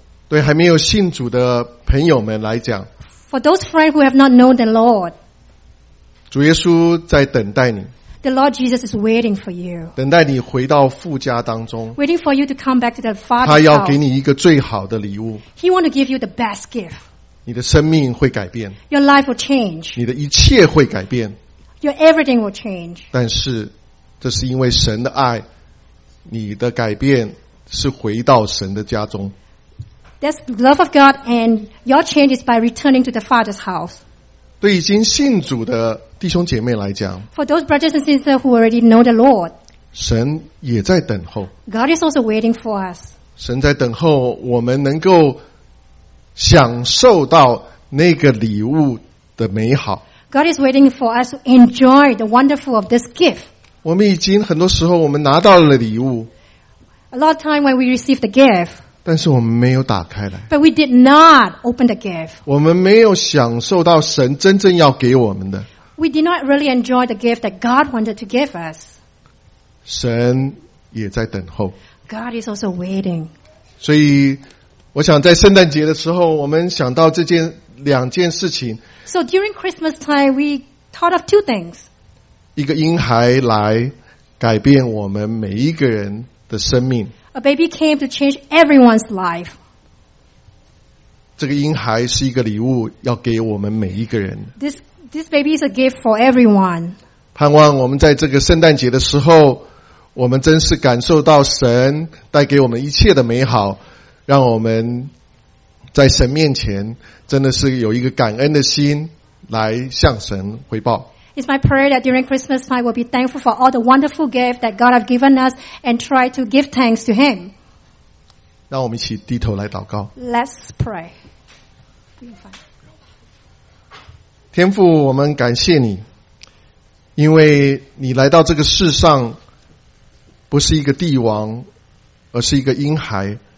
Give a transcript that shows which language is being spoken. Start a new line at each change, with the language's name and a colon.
Chinese: 对还没有信主的朋友们来讲。
English: For those friends who have not known the Lord.
Chinese: 主耶稣在等待你。
English: The Lord Jesus is waiting for you.
Chinese: 等待你回到父家当中。
English: Waiting for you to come back to the Father's house.
Chinese: 他要给你一个最好的礼物。
English: He wants to give you the best gift.
Chinese: 你的生命会改变。
English: Your life will change.
Chinese: 你的一切会改变。
English: Your everything will change.
Chinese: 但是这是因为神的爱，你的改变是回到神的家中。
English: That's love of God and your change is by returning to the Father's house.
Chinese: 对已经信主的弟兄姐妹来讲。
English: For those brothers and sisters who already know the Lord.
Chinese: 神也在等候。
English: God is also waiting for us.
Chinese: 神在等候我们能够享受到那个礼物的美好。
English: God is waiting for us to enjoy the wonderful of this gift.
Chinese: 我们已经很多时候我们拿到了礼物。
English: A lot of time when we receive the gift.
Chinese: 但是我们没有打开来。
English: But we did not open the gift.
Chinese: 我们没有享受到神真正要给我们的。
English: We did not really enjoy the gift that God wanted to give us.
Chinese: 神也在等候。
English: God is also waiting.
Chinese: 所以我想在圣诞节的时候，我们想到这件两件事情。
English: So during Christmas time, we thought of two things.
Chinese: 一个婴孩来改变我们每一个人的生命。
English: A baby came to change everyone's life.
Chinese: 这个婴孩是一个礼物，要给我们每一个人。
English: This baby is a gift for everyone.
Chinese: 盼望我们在这个圣诞节的时候，我们真是感受到神带给我们一切的美好。让我们在神面前真的是有一个感恩的心来向神回报。
English: It's my prayer that during Christmas time we'll be thankful for all the wonderful gift that God has given us and try to give thanks to Him.
Chinese: 让我们一起低头来祷告。
English: Let's pray.
Chinese: 天父，我们感谢你，因为你来到这个世上不是一个帝王，而是一个婴孩。